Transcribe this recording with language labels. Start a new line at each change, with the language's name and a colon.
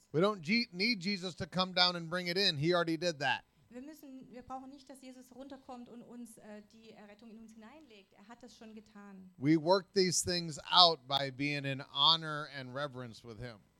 English: We don't need Jesus to come down and bring it in. He already did that.
German: Wir brauchen nicht, dass Jesus runterkommt und uns die Errettung in uns hineinlegt. Er hat das schon getan.
English: We work these things out by being in honor and reverence with him.